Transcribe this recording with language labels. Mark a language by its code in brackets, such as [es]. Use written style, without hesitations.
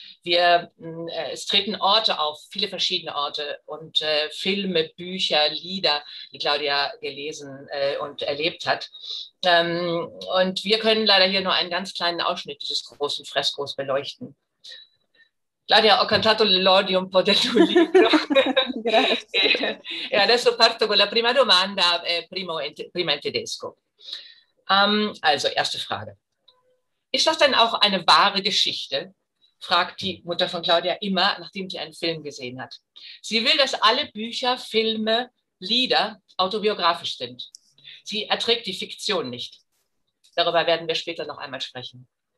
[de] Es treten Orte auf, viele verschiedene Orte und Filme, Bücher, Lieder, die Claudia gelesen und erlebt hat. Und wir können leider hier nur einen ganz kleinen Ausschnitt dieses großen Freskos beleuchten. [it] Claudia, ho cantato l'elogio un po' del tuo libro. Grazie. E adesso parto con la prima domanda, prima in tedesco. [de] Also, erste Frage. Ist das denn auch eine wahre Geschichte? Fragt die Mutter von Claudia immer, nachdem sie einen Film gesehen hat. Sie will, dass alle Bücher, Filme, Lieder autobiografisch sind. Sie erträgt die Fiktion nicht. Darüber werden wir später noch einmal sprechen.